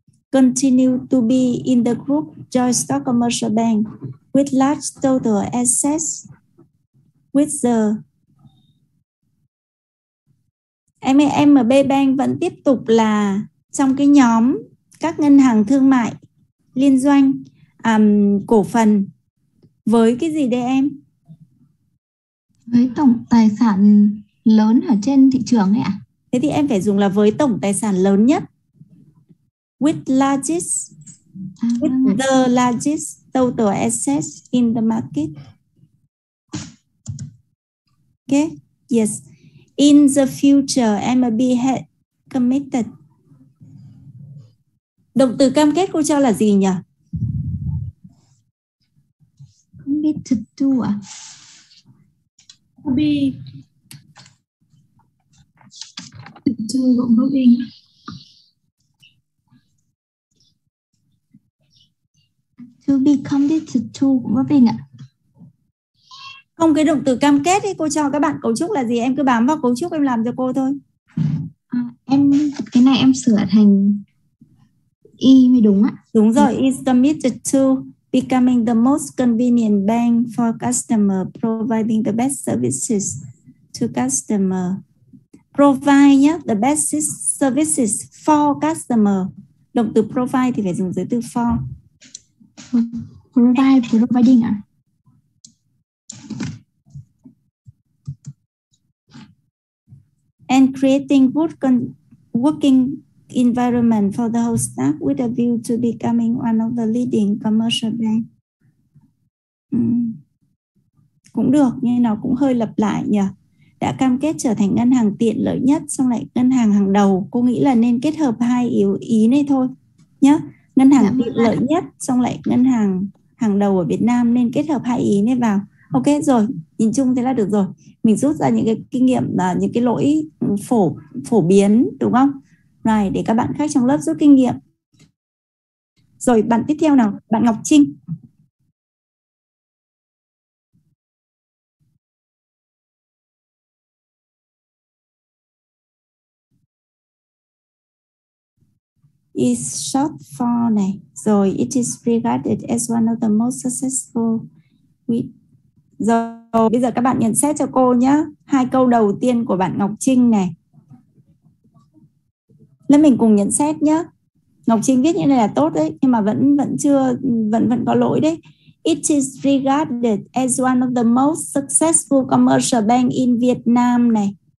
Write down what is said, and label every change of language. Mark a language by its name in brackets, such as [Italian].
[English] Continue to be in the group joint stock commercial bank with large total assets with the MB Bank [Vietnamese] vẫn tiếp tục là trong cái nhóm các ngân hàng thương mại liên doanh cổ phần với cái gì đây em? Với tổng tài sản lớn ở trên thị trường ấy ạ. Thế thì em phải dùng là với tổng tài sản lớn nhất. [English] With largest, with the largest total assets in the market. Okay, yes. In the future, MLB had committed. [Vietnamese] Động từ cam kết cô cho là gì nhỉ? [English] Committed to à? Be. To gồm đúng in. To be committed to Robin ạ. [Vietnamese] Không, cái động từ cam kết thì cô cho các bạn cấu trúc là gì? Em cứ bám vào cấu trúc em làm cho cô thôi. Em cái này em sửa thành E mới đúng ạ. Đúng rồi, [English] is committed to becoming the most convenient bank for customer, providing the best services to customer. Provide nhé, the best services for customer. [Vietnamese] Động từ provide thì phải dùng dưới từ for. [English] Providing à? And creating working environment for the whole staff with a view to becoming one of the leading commercial bank. [Vietnamese] Cũng được, nhưng nó cũng hơi lặp lại nhỉ. Đã cam kết trở thành ngân hàng tiện lợi nhất, xong lại ngân hàng hàng đầu. Cô nghĩ là nên kết hợp hai yếu ý này thôi nhé. Ngân hàng tiện lợi nhất, xong lại ngân hàng hàng đầu ở Việt Nam, nên kết hợp hai ý này vào. Ok rồi, nhìn chung thế là được rồi. Mình rút ra những cái kinh nghiệm, những cái lỗi phổ biến, đúng không? Rồi, để các bạn khác trong lớp rút kinh nghiệm. Rồi, bạn tiếp theo nào, bạn Ngọc Trinh. [English] Is short for này. Rồi, it is regarded as one of the most successful with. [Vietnamese] Rồi, bây giờ các bạn nhận xét cho cô nhé. Hai câu đầu tiên của bạn Ngọc Trinh này. Lên mình cùng nhận xét nhé. Ngọc Trinh viết như này là tốt đấy, nhưng mà vẫn có lỗi đấy. [English] It is regarded as one of the most successful commercial bank in Vietnam này.